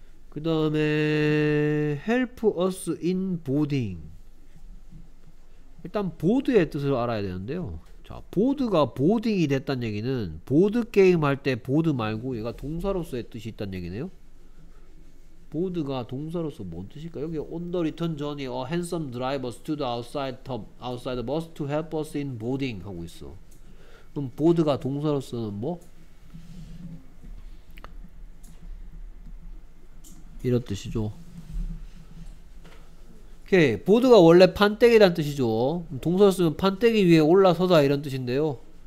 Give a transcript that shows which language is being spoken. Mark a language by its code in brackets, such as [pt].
[ko] 그 다음에 [en] help us in boarding. [ko] 일단 보드의 뜻을 알아야 되는데요. 자, 보드가 보딩이 됐단 얘기는 보드 게임 할 때 보드 말고 얘가 동사로서의 뜻이 있단 얘기네요. 보드가 동사로서 뭔 뜻일까? 여기 [en] on the return journey a handsome driver stood outside the bus to help us in boarding [ko] 하고 있어. 그럼 보드가 동사로서는 뭐? 이런 뜻이죠. 오케이. 보드가 원래 판때기란 뜻이죠. 동사 쓰면 판때기 위에 올라서다 이런 뜻인데요.